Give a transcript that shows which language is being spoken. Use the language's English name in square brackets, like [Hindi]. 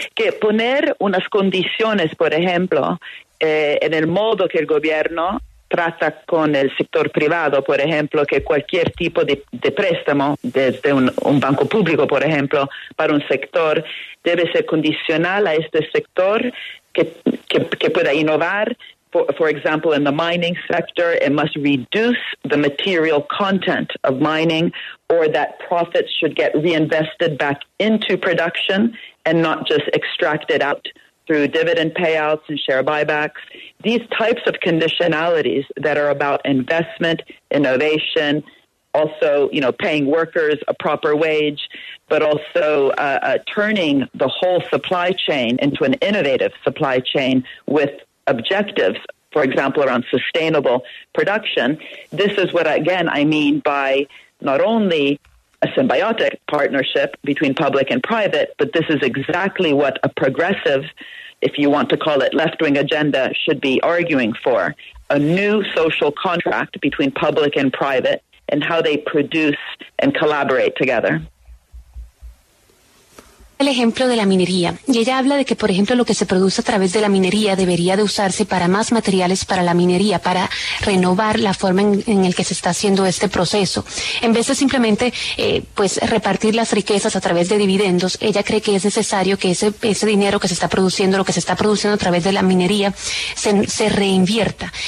[Spanish] Que poner unas condiciones, por ejemplo, en el modo que el gobierno trata con el sector privado, por ejemplo, que cualquier tipo de préstamo desde un banco público, por ejemplo, para un sector debe ser condicional a este sector que pueda innovar. [English] For example, in the mining sector, it must reduce the material content of mining, or that profits should get reinvested back into production and not just extracted out through dividend payouts and share buybacks. These types of conditionalities that are about investment, innovation, also, you know, paying workers a proper wage, but also turning the whole supply chain into an innovative supply chain with objectives, for example, around sustainable production. This is what, again, I mean by not only a symbiotic partnership between public and private, but this is exactly what a progressive, if you want to call it left-wing agenda, should be arguing for: a new social contract between public and private and how they produce and collaborate together. [Spanish] El ejemplo de la minería. Y ella habla de que, por ejemplo, lo que se produce a través de la minería debería de usarse para más materiales para la minería, para renovar la forma en el que se está haciendo este proceso. En vez de simplemente repartir las riquezas a través de dividendos, ella cree que es necesario que ese dinero que se está produciendo, lo que se está produciendo a través de la minería, se reinvierta.